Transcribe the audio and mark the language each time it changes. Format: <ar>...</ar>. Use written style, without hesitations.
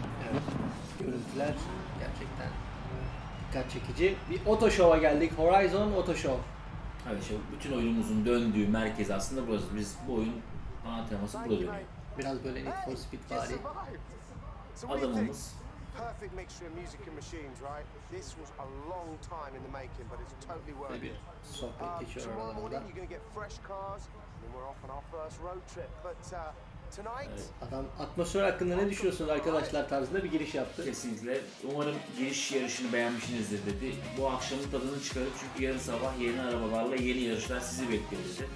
<tr>Evet. Görüntüler gerçekten dikkat çekici. Bir Auto Show'a geldik. Horizon Auto Show. Evet, işte bütün oyunumuzun döndüğü merkez aslında burası. Biz bu oyun ana teması burada dönüyor. Biraz böyle Need for Speed bari. Adamımız.</tr> <en>Perfect mixture of music and machines, right? This was a long time in the making, but it's totally worth it. Tomorrow morning you're gonna get fresh cars, and we're off on our first road trip. But tonight.</en> <tr>Adam atmosfer hakkında ne düşünüyorsunuz arkadaşlar tarzında bir giriş yaptı. Kesinlikle. Umarım giriş yarışını beğenmişsinizdir dedi. Bu akşamın tadını çıkarıp çünkü yarın sabah yeni arabalarla yeni yarışlar sizi bekliyor dedi.</tr>